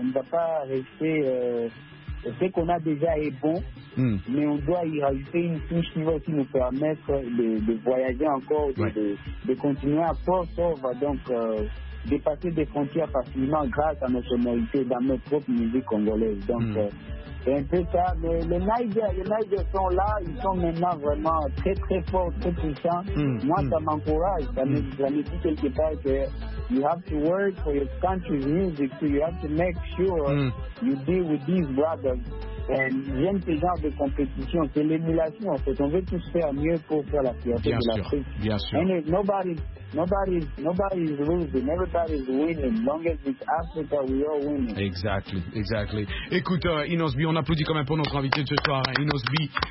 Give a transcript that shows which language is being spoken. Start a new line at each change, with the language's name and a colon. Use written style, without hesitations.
French: On ne va pas rester. Ce qu'on a déjà est bon, mais on doit y rajouter une touche qui va aussi nous permettre de voyager encore, de continuer à poursuivre, donc dépasser des frontières facilement grâce à nos sonorités dans notre propre musique congolaise. Donc, c'est un peu ça. Mais les Niger sont là, ils sont maintenant vraiment très, très forts, très puissants. Moi, ça m'encourage. Ça me dit quelque part que
English: you have to work for your country's music, so you have to make sure you deal with these brothers.
French: J'aime ce genre de compétition, c'est l'émulation en fait. On veut tous faire mieux pour faire la fierté bien de l'Afrique. Bien sûr.
English: And nobody is losing, everybody is winning. Long as it's Africa, we are winning. Exactly.
French: Écoute, Inosby, on applaudit quand même pour notre invité de ce soir, Inosby.